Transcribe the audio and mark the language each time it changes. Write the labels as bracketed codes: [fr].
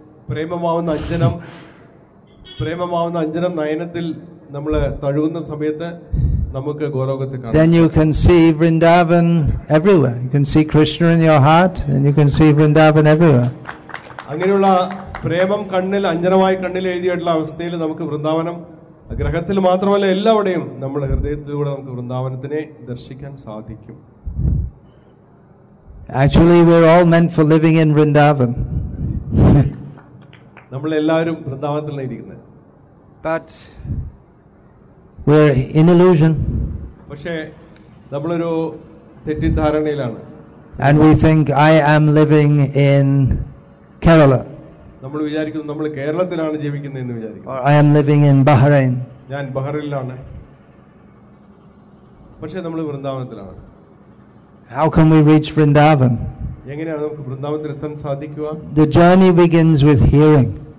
[ml] പ്രേമമാവുന്ന അഞ്ജനം, പ്രേമമാവുന്ന അഞ്ജനം നയനത്തിൽ നമ്മൾ തഴുകുന്ന സമയത്ത് നമുക്ക് ഗോലോകത്തെ കാണാം. [en] Then you can see Vrindavan everywhere. You can see Krishna in your heart and you can see Vrindavan everywhere. [ml] അങ്ങനെയുള്ള പ്രേമം കണ്ണിൽ അഞ്ജനമായി കണ്ണിൽ എഴുതിയിട്ടുള്ള അവസ്ഥയിൽ നമുക്ക് വൃന്ദാവനം ഗ്രഹത്തിൽ മാത്രമല്ല എല്ലാവിടെയും നമ്മുടെ ഹൃദയത്തിലൂടെ നമുക്ക് വൃന്ദാവനത്തിനെ ദർശിക്കാൻ സാധിക്കും. [en] Actually we are all meant for living in Vrindavan. [ml] നമ്മൾ എല്ലാവരും വൃന്ദാവനത്തിൽ ഇരിക്കുന്നു. [en] But we're in illusion. [ml] പക്ഷെ നമ്മൾ ഒരു തെറ്റിദ്ധാരണയിലാണ്. [en] And we think I am living in Kerala. [ml] നമ്മൾ വിചാരിക്കുന്നു നമ്മൾ കേരളത്തിലാണ് ജീവിക്കുന്നത് എന്ന് വിചാരിക്കുന്നു. [en] I am living in Bahrain. [ml] ഞാൻ ബഹ്റൈനിലാണ്. പക്ഷെ നമ്മൾ വൃന്ദാവനത്തിലാണ്. [en] How can we reach Vrindavan? [ml] എങ്ങനെയാണ് നമുക്ക് വൃന്ദാവനത്തിൽ എത്താൻ സാധിക്കുക? [en] The journey begins with hearing.